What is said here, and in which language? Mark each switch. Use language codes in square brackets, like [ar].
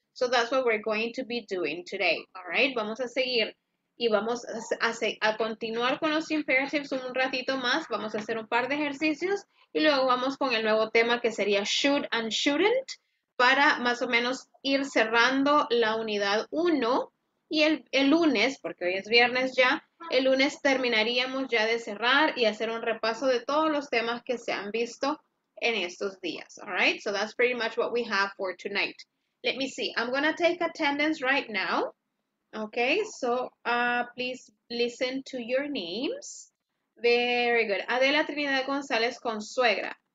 [en] So, that's what we're going to be doing today, all right? [es] Vamos a seguir y vamos a continuar con los imperatives un ratito más. Vamos a hacer un par de ejercicios y luego vamos con el nuevo tema que sería should and shouldn't para más o menos ir cerrando la unidad 1. Y el lunes, porque hoy es viernes ya, el lunes terminaríamos ya de cerrar y hacer un repaso de todos los temas que se han visto en estos días. [en] All right? So that's pretty much what we have for tonight. Let me see. I'm going to take attendance right now. Okay? So please listen to your names. Very good. [es] Adela Trinidad González con suegra.